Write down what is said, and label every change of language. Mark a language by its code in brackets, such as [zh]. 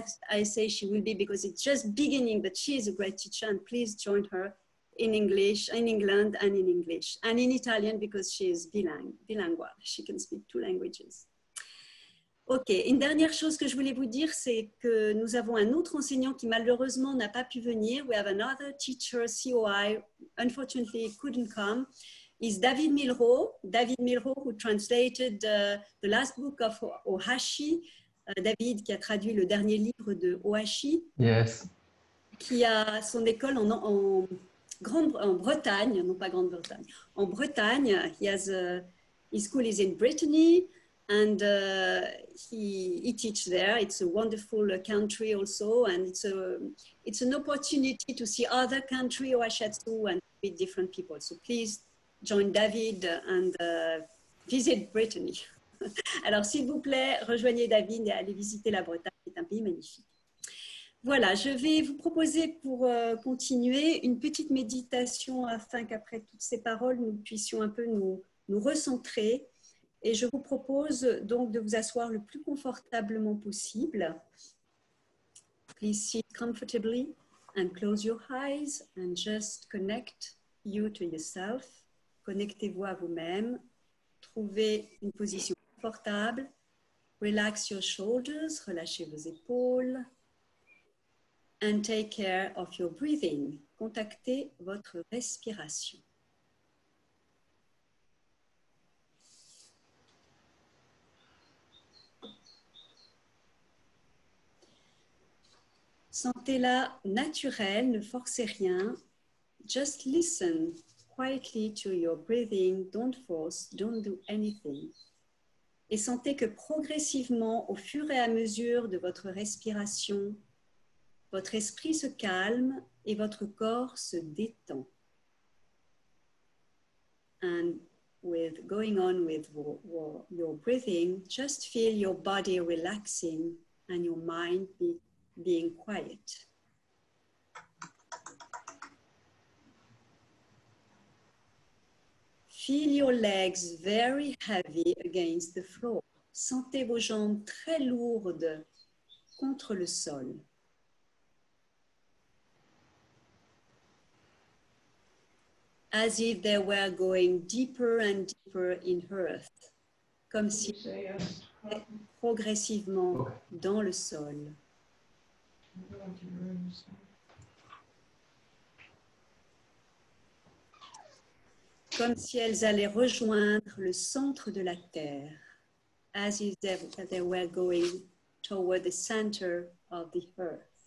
[en] I say she will be because it's just beginning, but she is a great teacher, and please join her in English, in England, and in English, and in Italian, because she is bilingual. She can speak two languages. [fr] Ok, une dernière chose que je voulais vous dire, c'est que nous avons un autre enseignant qui malheureusement n'a pas pu venir. [en] We have another teacher, COI, unfortunately couldn't come. Is David Milro. David Milro, who translated the last book of Ohashi. [fr] David, qui a traduit le dernier livre de Ohashi. [en] Yes. [fr] Qui a son école en Bretagne, non pas Grande-Bretagne, en Bretagne. [en] He has his school is in Brittany. And he teaches there. It's a wonderful country also, and it's an opportunity to see other country Hwashiatsu and meet different people. So please join David and visit Brittany. [fr] Alors s'il vous plaît, rejoignez David et allez visiter la Bretagne, c'est un pays magnifique. Voilà, je vais vous proposer pour continuer une petite méditation afin qu'après toutes ces paroles, nous puissions un peu nous recentrer. Et je vous propose donc de vous asseoir le plus confortablement possible. [en] Please sit comfortably and close your eyes and just connect you to yourself. [fr] Connectez-vous à vous-même. Trouvez une position confortable. [en] Relax your shoulders, [fr] relâchez vos épaules. [en] And take care of your breathing. [fr] Contactez votre respiration. Sentez-la naturelle, ne forcez rien. [en] Just listen quietly to your breathing. Don't force, don't do anything. [fr] Et sentez que progressivement, au fur et à mesure de votre respiration, votre esprit se calme et votre corps se détend. [en] And with going on with your breathing, just feel your body relaxing and your mind being quiet. Feel your legs very heavy against the floor. [fr] Sentez vos jambes très lourdes contre le sol. [en] As if they were going deeper and deeper in earth. [fr] Comme si progressivement dans le sol. Comme si elles allaient rejoindre le centre de la terre. [en] As if they were going toward the center of the earth.